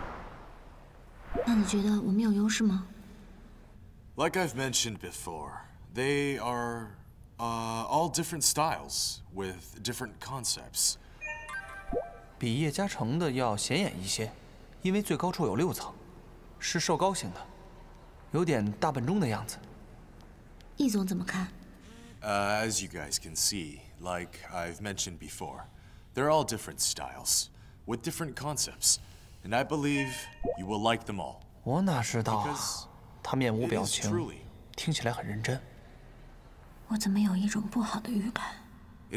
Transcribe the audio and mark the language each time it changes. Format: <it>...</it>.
<zh>就是一个带有英式古典风格的小城堡，没啥意思。那你觉得我们有优势吗？</zh> <en>Like I've mentioned before, they are all different styles with different concepts.</en> <zh>比叶嘉诚的要显眼一些，因为最高处有六层，是瘦高型的，有点大本钟的样子。易总怎么看？</zh> <en>As you guys can see, like I've mentioned before, they're all different styles with different concepts, and I believe you will like them all.</en> <zh>我哪知道啊，他面无表情，听起来很认真。我怎么有一种不好的预感？It</zh>